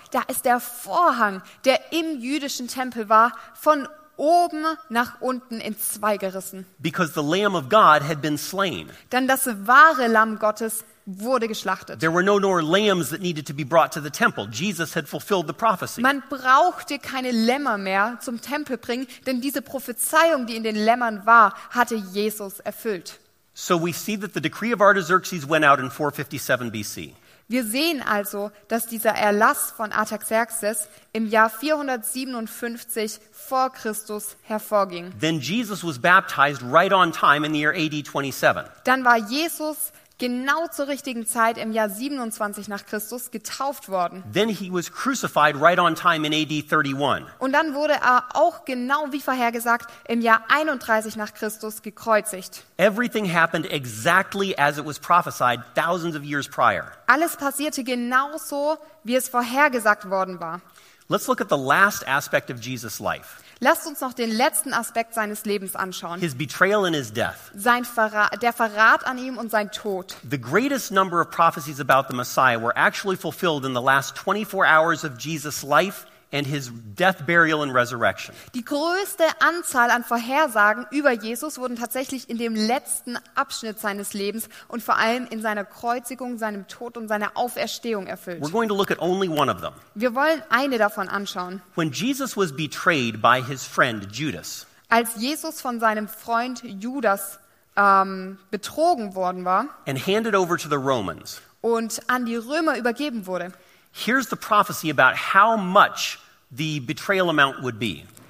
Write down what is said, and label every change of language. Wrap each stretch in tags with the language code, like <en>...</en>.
<de>Da ist der Vorhang, der im jüdischen Tempel war, von oben nach unten in zwei gerissen.</de> <en>Because the Lamb of God had been slain.</en> <de>Denn das wahre Lamm Gottes wurde geschlachtet.</de> <en>There were no more lambs that needed to be brought to the temple. Jesus had fulfilled the prophecy.</en> <de>Man brauchte keine Lämmer mehr zum Tempel bringen, denn diese Prophezeiung, die in den Lämmern war, hatte Jesus erfüllt.</de> <en>So we see that the decree of Artaxerxes went out in 457 BC.</en> <de>Wir sehen also, dass dieser Erlass von Artaxerxes im Jahr 457 vor Christus hervorging.</de> <en>Then Jesus was baptized right on time in the year AD 27.</en> <de>Dann war Jesus genau zur richtigen Zeit im Jahr 27 nach Christus getauft worden.</de> <en>Then he was crucified right on time in AD 31.</en> <de>Und dann wurde er auch genau wie vorhergesagt im Jahr 31 nach Christus gekreuzigt.</de> <en>Everything happened exactly as it was prophesied thousands of years prior.</en> <de>Alles passierte genau so, wie es vorhergesagt worden war.</de> <en>Let's look at the last aspect of Jesus' life.</en> <de>Lasst uns noch den letzten Aspekt seines Lebens anschauen.</de> <en>His betrayal and his death.</en> <de>Der Verrat an ihm und sein Tod.</de> <en>The greatest number of prophecies about the Messiah were actually fulfilled in the last 24 hours of Jesus' life and his death, burial and resurrection.</en> <de>Die größte Anzahl an Vorhersagen über Jesus wurden tatsächlich in dem letzten Abschnitt seines Lebens und vor allem in seiner Kreuzigung, seinem Tod und seiner Auferstehung erfüllt.</de> <en>We're going to look at only one of them.</en> <de>Wir wollen eine davon anschauen.</de> <en>When Jesus was betrayed by his friend Judas.</en> <de>Als Jesus von seinem Freund Judas betrogen worden war</de> <en>and handed over to the Romans.</en> <de>Und an die Römer übergeben wurde.</de> <en>Here's the prophecy about how much the betrayal amount would be.</en>